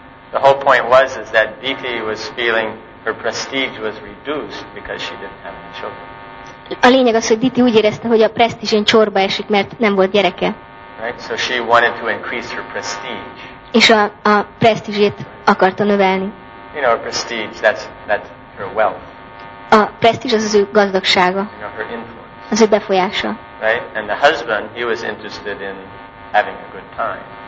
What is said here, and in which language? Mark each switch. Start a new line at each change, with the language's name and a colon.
English: The whole point was is that Diti was feeling her prestige was reduced because she didn't have any children.
Hungarian: A lényeg az, hogy Diti úgy érezte, hogy a presztízsén csorba esik, mert nem volt gyereke.
English: Right, so she wanted to increase her prestige.
Hungarian: És a presztízsét akarta növelni.
English: You know, her prestige, that's her wealth.
Hungarian: A presztíz az ő gazdagsága. Az ő befolyása.
English: Right? And the husband, he was interested in having a good time.